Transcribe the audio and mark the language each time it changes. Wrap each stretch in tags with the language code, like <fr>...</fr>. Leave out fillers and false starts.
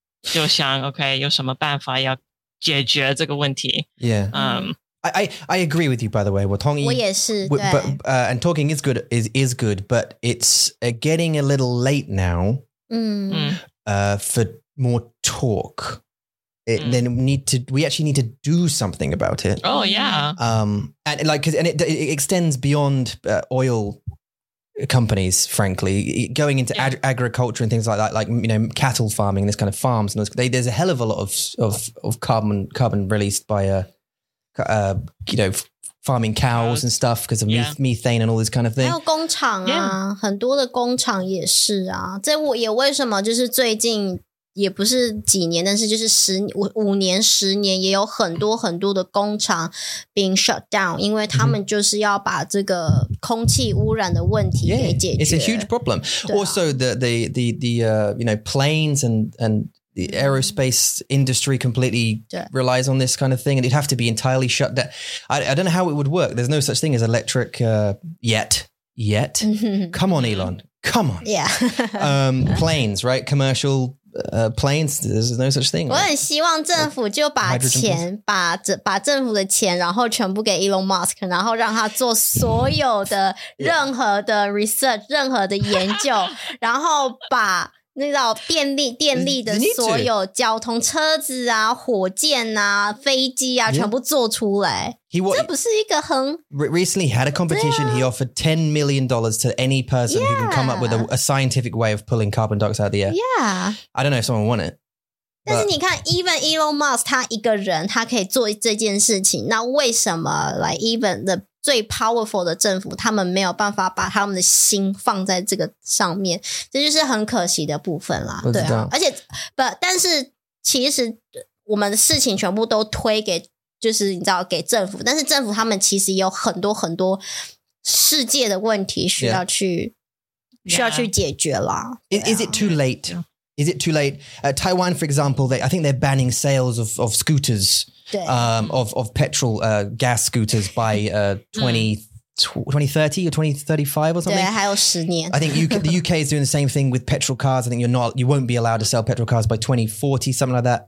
<zh>就想 OK 有什么办法要解决这个问题</zh> <en>Yeah、I agree with you, by the way.</en> <zh>我同意。我也是。</zh> <en>But, and talking is good, is good, but it's getting a little late now for more talk. Then we actually need to do something about it. Oh, yeah. And it extends beyond oil companies, frankly, going into agriculture and things like that, like, you know, cattle farming, this kind of farms. And those, there's a hell of a lot of carbon released by farming cows and stuff because of methane and all this kind of thing.</en> <zh>还有工厂啊，很多的工厂也是啊。这我也为什么就是最近也不是几年，但是就是五年十年也有很多很多的工厂</zh> <en>being shut down，</en> <zh>因为他们就是要把这个空气污染的问题给解决。</zh> <en>It's a huge problem. Also, the planes and. The aerospace industry completely relies on this kind of thing, and it'd have to be entirely shut down. I don't know how it would work. There's no such thing as electric yet. Come on, Elon. Come on. Yeah. planes, right? Commercial planes. There's no such thing.</en> <zh>我很希望政府就把钱把政府的钱，然后全部给 Elon Musk， 然后让他做所有的任何的 research， 任何的研究，然后把。那叫电力的所有交通车子啊火箭啊飞机啊、全部做出来。这不是一个很</zh> <en>Recently had a competition, he offered $10 million to any person who can come up with a scientific way of pulling carbon dioxide out of the air. Yeah. I don't know if someone won it.</en> <zh>但是你看 even Elon Musk 他一个人他可以做这件事情那为什么</zh> <en>like even the</en> <zh>最 powerful 的政府，他们没有办法把他们的心放在这个上面，这就是很可惜的部分啦。对啊，而且不，但是其实我们的事情全部都推给，就是你知道，给政府。但是政府他们其实也有很多很多世界的问题需要去需要去解决啦。</zh> <en>Is it too late? Is it too late? Taiwan, for example, I think they're banning sales of scooters. Of petrol gas scooters by 2030 or 2035 or something.</en> <zh>对，还有十年。</zh> <en>I think the UK is doing the same thing with petrol cars. I think you won't be allowed to sell petrol cars by 2040, something like that.</en>